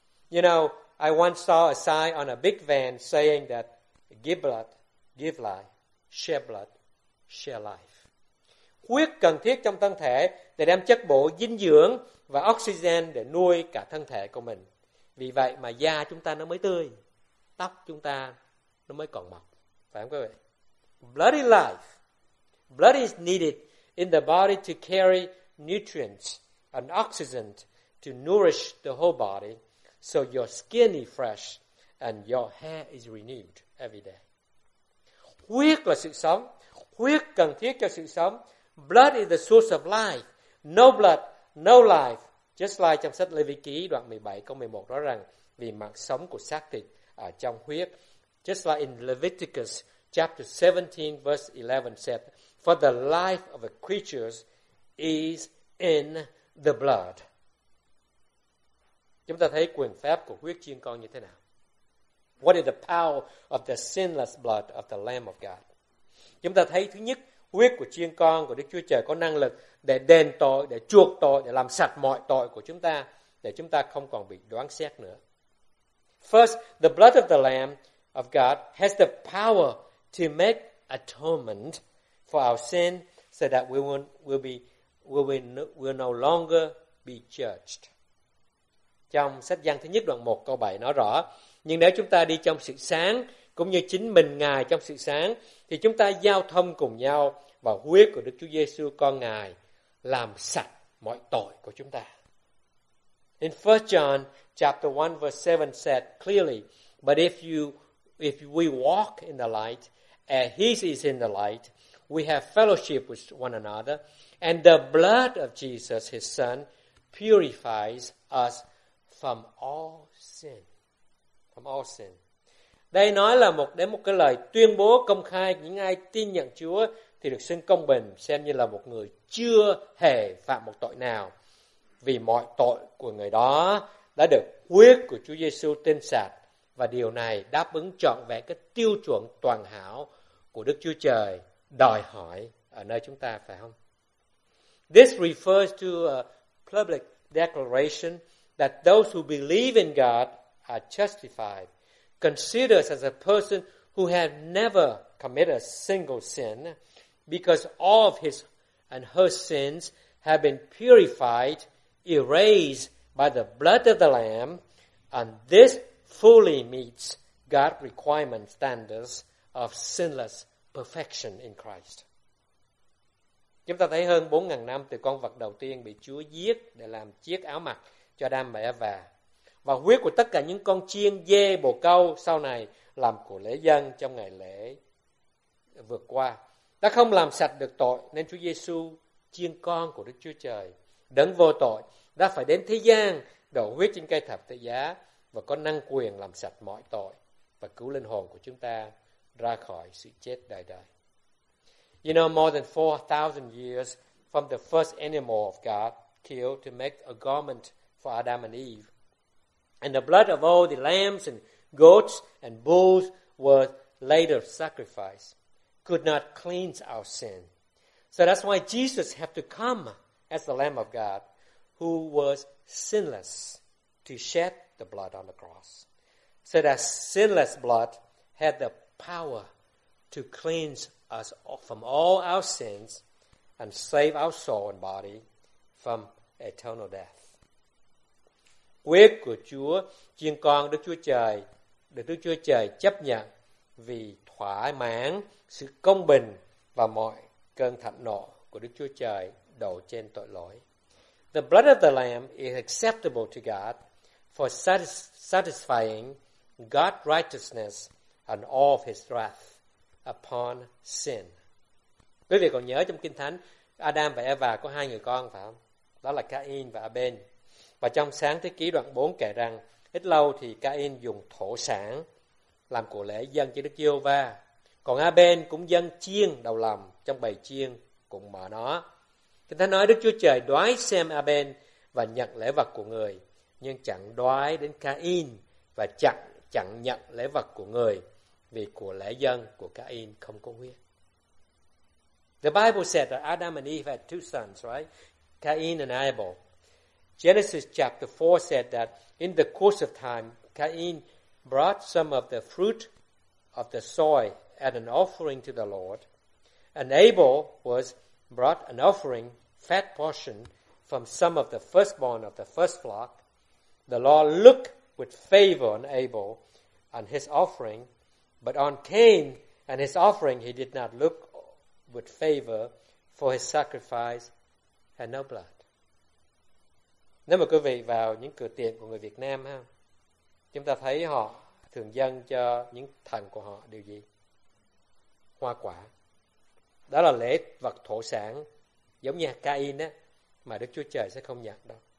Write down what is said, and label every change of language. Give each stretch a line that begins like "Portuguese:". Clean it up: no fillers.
English: You know, I once saw a sign on a big van saying that give blood, give life. Share blood, share life.
Vietnamese: Huyết cần thiết trong thân thể để đem chất bổ dinh dưỡng và oxygen để nuôi cả thân thể của mình. Vì vậy mà da chúng ta nó mới tươi, tóc chúng ta nó mới còn mọc. Phải không các bạn?
English: Blood is life. Blood is needed in the body to carry nutrients and oxygen to nourish the whole body so your skin is fresh and your hair is renewed every day.
Vietnamese: Huyết là sự sống. Huyết cần thiết cho sự sống.
English: Blood is the source of life. No blood, no life. Just like
Vietnamese: trong sách Lê-vi-ký đoạn 17 câu 11 nói rằng vì mạng sống của xác thịt ở trong huyết.
English: Just like in Leviticus chapter 17 verse 11 said, for the life of a creature is in the blood.
Vietnamese: Chúng ta thấy quyền phép của huyết chiên con như thế nào?
English: What is the power of the sinless blood of the Lamb of God?
Vietnamese: Chúng ta thấy thứ nhất, huyết của chiên con của Đức Chúa Trời có năng lực để đền tội, để chuộc tội, để làm sạch mọi tội của chúng ta, để chúng ta không còn bị đoán xét nữa.
English: First, the blood of the Lamb of God has the power to make atonement for our sin so that we will no longer be judged.
Vietnamese: Trong sách Giăng thứ nhất đoạn 1 câu 7 nói rõ, nhưng nếu chúng ta đi trong sự sáng cũng như chính mình Ngài trong sự sáng thì chúng ta giao thông cùng nhau và huyết của Đức Chúa Giêsu con Ngài làm sạch mọi tội của chúng ta.
English: In 1 John chapter 1 verse 7 said clearly, but if we walk in the light as he is in the light, we have fellowship with one another, and the blood of Jesus his son purifies us from all sin. From all sin.
Vietnamese: Đây nói là một cái lời tuyên bố công khai, những ai tin nhận Chúa thì được xưng công bình, xem như là một người chưa hề phạm một tội nào, vì mọi tội của người đó đã được huyết của Chúa Giêsu tinh sạch, và điều này đáp ứng trọn vẹn cái tiêu chuẩn toàn hảo của Đức Chúa Trời đòi hỏi ở nơi chúng ta, phải không?
English: This refers to a public declaration that those who believe in God are justified, considered as a person who have never committed a single sin, because all of his and her sins have been purified, erased by the blood of the Lamb, and this fully meets God's requirement standards of sinless perfection in Christ.
Vietnamese: Chúng ta thấy hơn 4.000 năm từ con vật đầu tiên bị Chúa giết để làm chiếc áo mặc cho Adam và Eva. Và huyết của tất cả những con chiên, dê, bồ câu sau này làm của lễ dân trong ngày lễ vượt qua đã không làm sạch được tội, nên Chúa Giêsu, chiên con của Đức Chúa Trời, đấng vô tội, đã phải đến thế gian đổ huyết trên cây thập tự giá và có năng quyền làm sạch mọi tội và cứu linh hồn của chúng ta ra khỏi sự chết đời đời.
English: You know, more than 4,000 years from the first animal of God killed to make a garment for Adam and Eve, and the blood of all the lambs and goats and bulls were later sacrificed, could not cleanse our sin. So that's why Jesus had to come as the Lamb of God, who was sinless, to shed the blood on the cross. So that sinless blood had the power to cleanse us from all our sins and save our soul and body from eternal death.
Vietnamese: Huyết của Chúa, chiên con Đức Chúa Trời, được Đức Chúa Trời chấp nhận vì thỏa mãn sự công bình và mọi cơn thạnh nộ của Đức Chúa Trời đổ trên tội lỗi.
English: The blood of the Lamb is acceptable to God for satisfying God's righteousness and all of his wrath upon sin.
Vietnamese: Quý vị còn nhớ trong Kinh Thánh, Adam và Eva có hai người con phải không? Đó là Cain và Abel. Và trong Sáng Thế Ký đoạn 4 kể rằng, ít lâu thì Cain dùng thổ sản làm của lễ dâng cho Đức Giê-hô-va. Còn Abel cũng dâng chiên đầu lòng trong bầy chiên cùng mở nó. Kinh Thánh nói Đức Chúa Trời đoái xem Abel và nhận lễ vật của người, nhưng chẳng đoái đến Cain và chẳng nhận lễ vật của người vì của lễ dân của Cain không có huyết.
English: The Bible said that Adam and Eve had two sons, right? Cain and Abel. Genesis chapter 4 said that in the course of time, Cain brought some of the fruit of the soil as an offering to the Lord, and Abel was brought an offering, fat portion, from some of the firstborn of the first flock. The Lord looked with favor on Abel and his offering, but on Cain and his offering he did not look with favor, for his sacrifice had no blood.
Vietnamese: Nếu mà quý vị vào những cửa tiệm của người Việt Nam ha, chúng ta thấy họ thường dâng cho những thần của họ điều gì? Hoa quả. Đó là lễ vật thổ sản, giống như Cain á, mà Đức Chúa Trời sẽ không nhận đâu.